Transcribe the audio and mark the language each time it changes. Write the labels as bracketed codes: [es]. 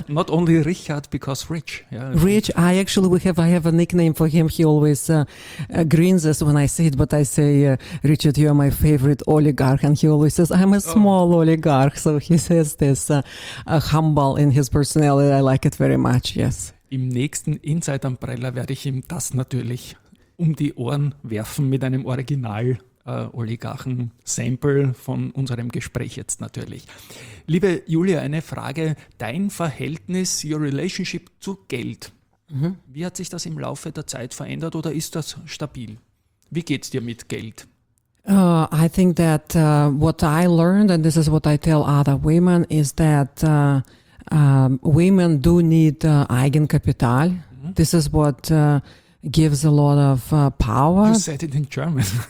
[en] Not only Richard, because rich. Yeah. Rich, I have a nickname for him. He always grins us when I say it, but I say, Richard, you are my favorite oligarch. And he always says, I'm a small oligarch. So he says this humble in his personality. I like it very much, yes. [de] Im nächsten Inside Umbrella werde ich ihm das natürlich um die Ohren werfen mit einem Original. Oligarchen-Sample von unserem Gespräch jetzt natürlich. Liebe Julia, eine Frage. Dein Verhältnis, your relationship zu Geld, wie hat sich das im Laufe der Zeit verändert oder ist das stabil? Wie geht's dir mit Geld? [en] I think that what I learned, and this is what I tell other women, is that women do need Eigenkapital. Mm-hmm. This is what... gives a lot of power. You said it in German.